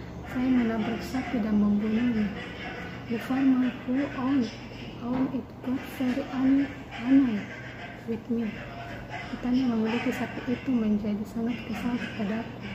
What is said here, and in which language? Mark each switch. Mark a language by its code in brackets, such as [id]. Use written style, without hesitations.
[id] Saya menabrak sapi dan membunuhnya. [en] The farmer who owned it got very angry with me. [id] Petani yang memiliki sapi itu menjadi sangat kesal kepadaku.